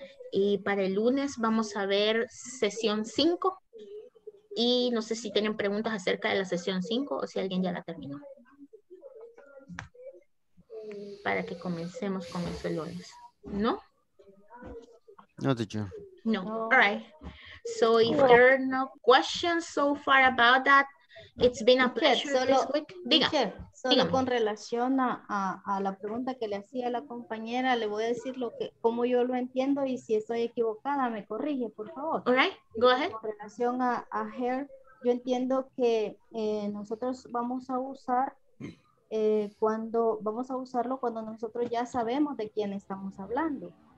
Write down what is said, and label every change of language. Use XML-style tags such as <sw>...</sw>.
<es>Y para el lunes vamos a ver sesión 5. Y no sé si tienen preguntas acerca de la sesión 5 o si alguien ya la terminó. Para que comencemos con eso el lunes, ¿no? No, teacher.</es> <en>No. All right. So if there are no questions so far about that, it's been a pleasure this week.</en> <es>Diga. Teacher, solo con relación a la pregunta que le hacía la compañera, le voy a decir cómo yo lo entiendo y si estoy equivocada, me corrige, por favor.</es> <en>All right. Go ahead.</en> <es>Con relación a her, yo entiendo que nosotros vamos a usar cuando nosotros ya sabemos de quién estamos hablando.</es>